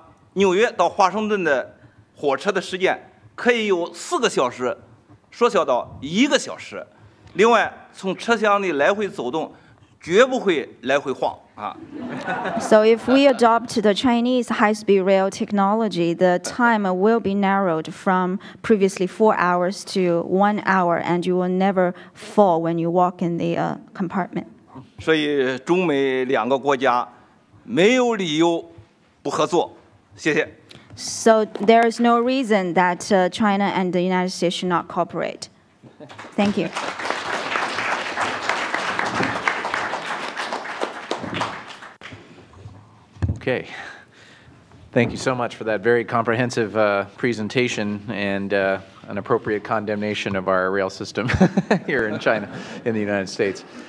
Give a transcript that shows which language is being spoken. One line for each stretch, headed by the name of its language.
Chinese: 如果采用中国的技术，用中国的投资，那么纽约到华盛顿的 火车的时间可以由4个小时缩小到1个小时，另外从车厢里来回走动，绝不会来回晃啊。
English: So if we adopt the Chinese high-speed rail technology, the time will be narrowed from previously 4 hours to 1 hour, and you will never fall when you walk in the compartment.
Chinese: 所以中美两个国家没有理由不合作，谢谢。
English: So there is no reason that China and the United States should not cooperate. Thank you. Okay. Thank you so much for that very comprehensive presentation and an appropriate condemnation of our rail system here in China, in the United States.